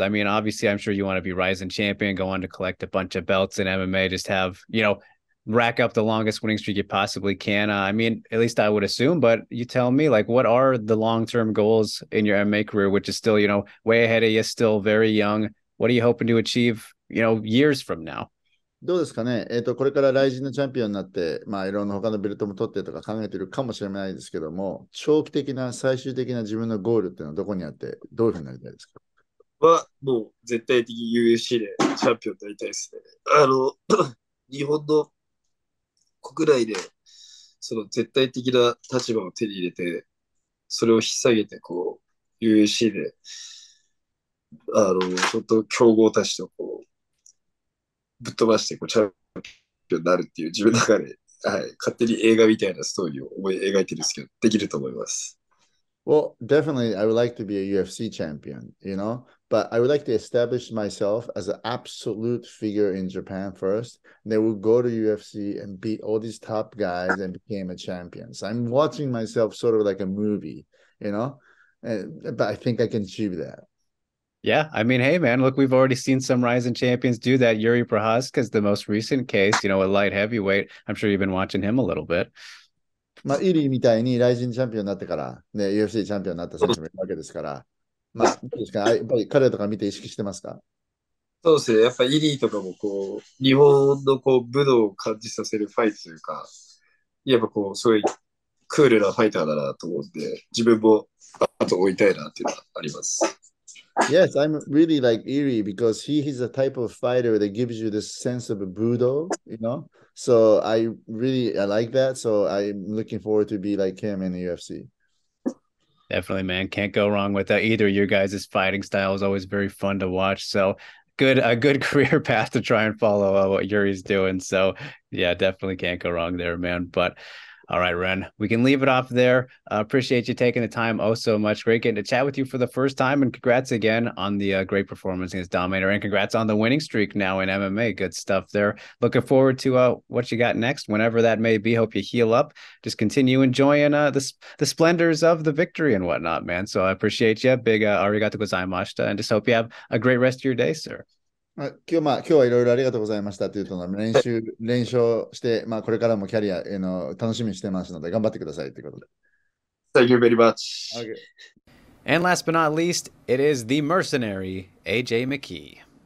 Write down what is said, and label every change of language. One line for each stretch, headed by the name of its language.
English: I mean, obviously, I'm sure you want to be Ryzen champion, go on to collect a bunch of belts in MMA, just have, you know, rack up the longest winning streak you possibly can. I mean, at least I would assume, but you tell me, like, what are the long-term goals in your MMA career, which is still, you know, way ahead of you, still very young. What are you hoping to achieve, you know, years from now?
Japanese: どうですかね、これからライジンのチャンピオンになって、まあ、いろんな他のベルトも取ってとか考えてるかもしれないですけども、長期的な最終的な自分のゴールっていうのはどこにあって、どういうふうになりたいですか？は、もう絶対的 UFC でチャンピオンになりたいですね。あの日本の国内でその絶対的な立場を手に入れて、それを引っ提げてこう UFC で、あのちょっと強豪たちとこうぶっ飛ばしてこうチャンピオンになるっていう、自分の中で、はい、勝手に映画みたいなストーリーを思い描いてるんですけど、できると思います。
English: Well, definitely, I would like to be a UFC champion, you know, but I would like to establish myself as an absolute figure in Japan first. They will go to UFC and beat all these top guys and became a champion. So I'm watching myself sort of like a movie, you know, but I think I can achieve that. Yeah, I mean, hey, man, look, we've already seen some Ryzen champions do that. Yuri Prohaska is the most recent case, you know, a light heavyweight. I'm sure you've been watching him a little bit.
Japanese: まあ、イリーみたいにライジンチャンピオンになってから、ね、UFC チャンピオンになった選手もいるわけですから、まあ、どうですか、やっぱり彼とか見て意識してますか？そうですね、やっぱイリーとかもこう、日本のこう武道を感じさせるファイトというか、やっぱこう、すごいクールなファイターだなと思って、自分も後追いたいなっていうのはあります。
English: Yes, I'm really like Iri because he is a type of fighter that gives you this sense of Budo, you know? So I like that. So I'm looking forward to be like him in the UFC. Definitely, man. Can't go wrong with that either. Your guys' fighting style is always very fun to watch. So a good career path to try and follow what Yuri's doing. So yeah, definitely can't go wrong there, man. But all right, Ren, we can leave it off there. Appreciate you taking the time oh so much. Great getting to chat with you for the first time. And congrats again on the great performance against Dominator. And congrats on the winning streak now in MMA. Good stuff there. Looking forward to what you got next, whenever that may be. Hope you heal up. Just continue enjoying the splendors of the victory and whatnot, man. So I appreciate you. Big
Japanese: arigato gozaimashita.
English: And just hope you have a great rest of your day, sir.
Japanese: まあ、今日、まあ、今日はいろいろありがとうございましたというと練習して、まあ、これからもキャリアへの楽しみにしてますので頑張ってくださいということで。
English: Thank you very much. Okay. And last but not least, it is the mercenary, AJ McKee.